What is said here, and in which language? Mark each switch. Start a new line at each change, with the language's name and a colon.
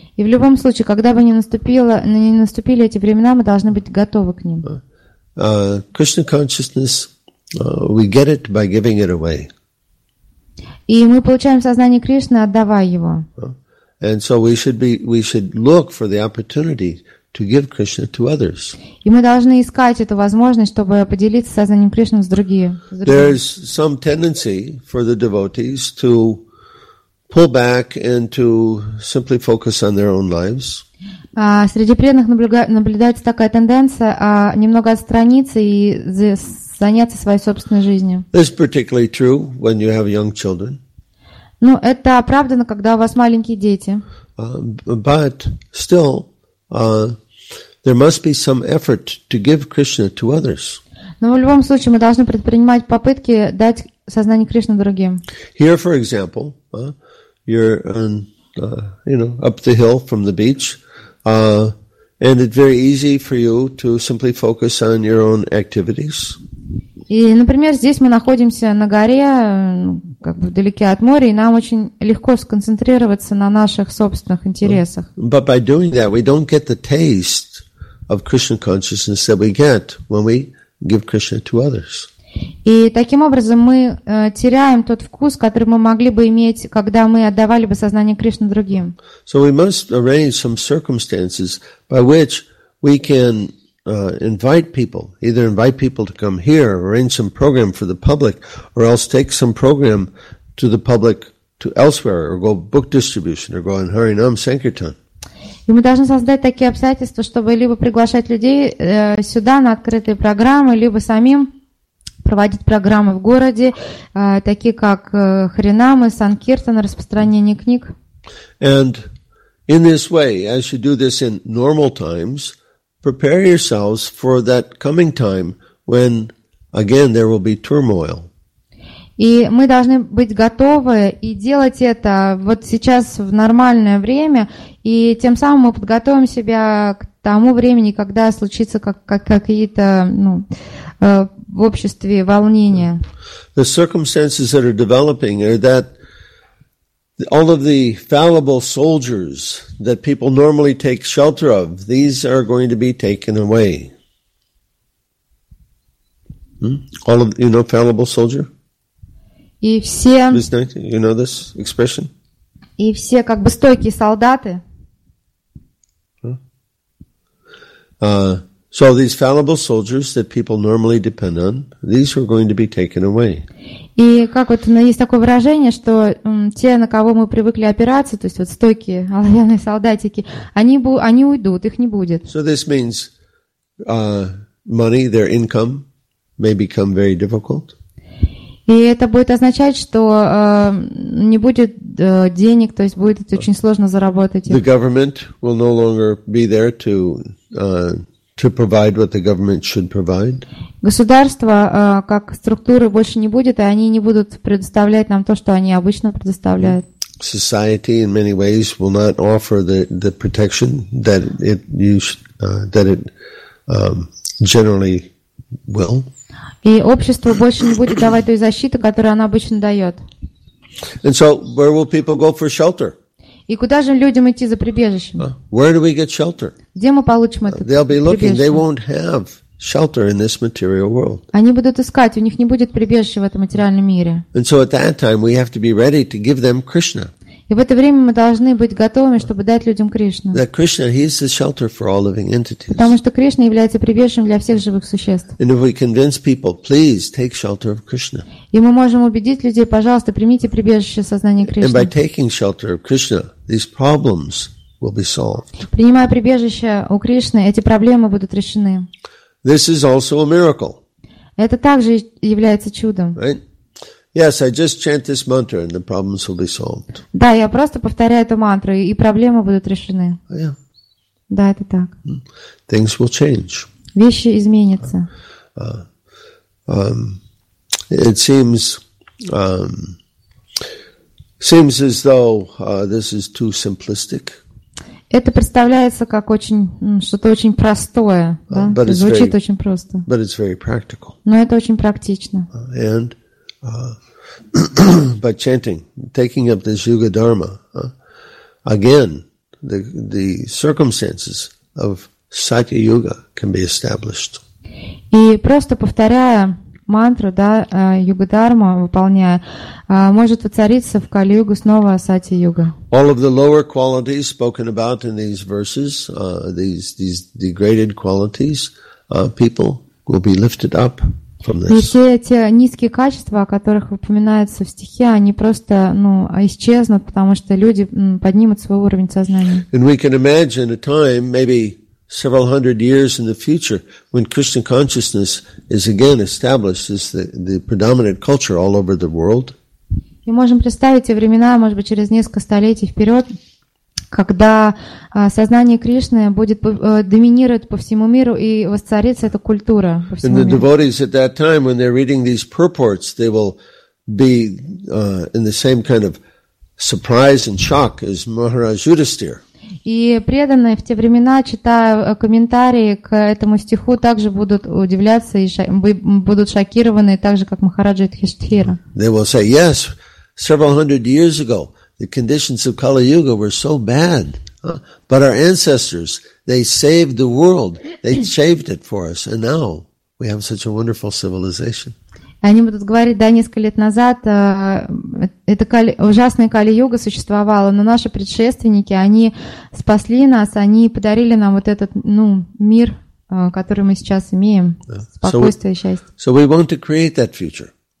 Russian: И в любом случае, когда бы не наступили эти времена, мы должны быть готовы к ним.
English: Krishna consciousness, we get it by giving it away.
Russian: И мы получаем сознание Кришны, отдавая его.
English: And so we should look for the opportunity to give Krishna to others.
Russian: И мы должны искать эту возможность, чтобы поделиться сознанием Кришны с другими.
English: There is some tendency for the devotees to pull back and to simply focus on their own lives.
Russian: Среди преданных наблюдается такая тенденция немного отстраниться и заняться своей собственной жизнью.
English: This particularly true when you have young children.
Russian: Ну, это оправдано, когда у вас маленькие дети.
English: But still, there must be some effort to give Krishna to others.
Russian: Но в любом случае мы должны предпринимать попытки дать сознание Кришны другим.
English: Here, for example, you're on, up the hill from the beach, and it's very easy for you to simply focus on your own activities.
Russian: И, например, здесь мы находимся на горе, как бы вдалеке от моря, и нам очень легко сконцентрироваться на наших собственных интересах.
English: But by doing that, we don't get the taste of Krishna consciousness that we get when we give Krishna to others.
Russian: И таким образом мы теряем тот вкус, который мы могли бы иметь, когда мы отдавали бы сознание Кришны другим.
English: So we must arrange some circumstances by which we can invite people to come here, arrange some program for the public, or else take some program to the public to elsewhere, or go book distribution, or go on Harinam Sankirtan.
Russian: И мы должны создать такие обстоятельства, чтобы либо приглашать людей сюда на открытые программы, либо самим проводить программы в городе, такие как Харинамы, Санкиртана, распространение книг.
English: And in this way, as you do this in normal times, prepare yourselves for that coming time when again there will be turmoil.
Russian: И мы должны быть готовы и делать это вот сейчас в нормальное время, и тем самым мы подготовим себя к тому времени, когда случится какие-то, ну, в обществе волнения.
English: The circumstances that are developing are that all of the fallible soldiers that people normally take shelter of, these are going to be taken away. All of, you know, fallible soldier?
Russian: И все,
English: you know this expression?
Russian: И все как бы стойкие солдаты.
English: So these fallible soldiers that people normally depend on, these are going to be taken away.
Russian: И как вот, ну, есть такое выражение, что те, на кого мы привыкли опираться, то есть вот стойкие оловянные солдатики, они уйдут, их не будет.
English: So this means money, their income may become very difficult.
Russian: И это будет означать, что не будет денег, то есть будет очень сложно заработать.
English: The government will no longer be there to provide what the government should provide.
Russian: Государство как структуры больше не будет, и они не будут предоставлять нам то, что они обычно предоставляют.
English: Society in many ways will not offer the protection that it generally will.
Russian: И общество больше не будет давать той защиты, которую оно обычно дает.
English: And so, where will people go for shelter?
Russian: И куда же людям идти за прибежищем?
English: Where do we get shelter?
Russian: Где мы получим это
English: They'll be looking. They won't have shelter in this material world.
Russian: Они будут искать, у них не будет прибежища в этом материальном мире.
English: And so, at that time, we have to be ready to give them Krishna.
Russian: И в это время мы должны быть готовыми, чтобы дать людям Кришну.
English: That Krishna, He is the shelter for all living entities.
Russian: Потому что Кришна является прибежищем для всех живых существ.
English: And if we convince people, please take shelter of Krishna.
Russian: И мы можем убедить людей, пожалуйста, примите прибежище сознания Кришны.
English: And by taking shelter of Krishna, these problems will be solved.
Russian: Принимая прибежище у Кришны, эти проблемы будут решены.
English: This is also a miracle.
Russian: Это также является чудом.
English: Right? Yes, I just chant this mantra and the problems will be solved.
Russian: Да, я просто повторяю эту мантру, и проблемы будут решены.
English: Yeah.
Russian: Да, это так.
English: Things will change.
Russian: Вещи изменятся.
English: It seems seems as though this is too simplistic.
Russian: Это представляется как очень что-то очень простое, да? Звучит очень просто.
English: But it's very practical.
Russian: Но это очень практично.
English: And by chanting, taking up this Yuga Dharma, again, the circumstances of Satya Yuga can be established.
Russian: И просто повторяя мантру, да, Юга Дарма выполняя, может воцариться в Кали-Югу снова Сати Юга.
English: All of the lower qualities spoken about in these verses, these degraded qualities, people will be lifted up.
Russian: И все эти низкие качества, о которых упоминаются в стихе, они просто, ну, исчезнут, потому что люди поднимут свой уровень сознания.
English: And we can imagine a time, maybe several hundred years in the future, when Krishna consciousness is again established as the predominant culture all over the world.
Russian: Мы можем представить эти времена, может быть, через несколько столетий вперед, когда сознание Кришны будет доминировать по всему миру и воцарится эта культура по всему миру.
English: And the devotees at that time, when they're reading these purports, they will be in the same kind of surprise and shock as Maharaj Yudhisthira.
Russian: И преданные в те времена, читая комментарии к этому стиху, также будут удивляться и будут шокированы, так же, как Махараджа Юдхиштхира.
English: They will say, yes, several hundred years ago, the conditions of Kali-Yuga were so bad. But our ancestors, they saved the world. They saved it for us. And now we have such a wonderful civilization.
Russian: Они будут говорить, да, несколько лет назад это ужасная Кали-Юга существовала, но наши предшественники, они спасли нас, они подарили нам вот этот, ну, мир, который мы сейчас имеем, спокойствие и счастье.
English: So we want to create that future.